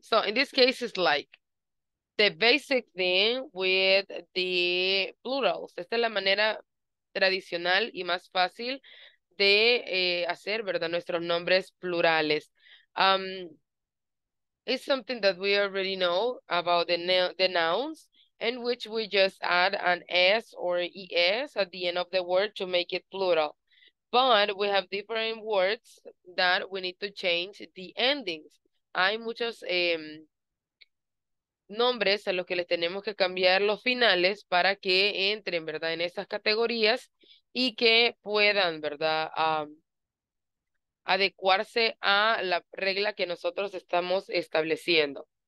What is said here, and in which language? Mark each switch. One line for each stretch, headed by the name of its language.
English: So in this case, it's like the basic thing with the plurals.
Spanish: Esta es la manera tradicional y más fácil de hacer, ¿verdad?, nuestros nombres plurales.
English: It's something that we already know about the nouns, in which we just add an S or ES at the end of the word to make it plural. But we have different words that we need to change the endings.
Spanish: Hay muchos nombres a los que le tenemos que cambiar los finales para que entren, ¿verdad?, en esas categorías y que puedan, ¿verdad?, adecuarse a la regla que nosotros estamos estableciendo.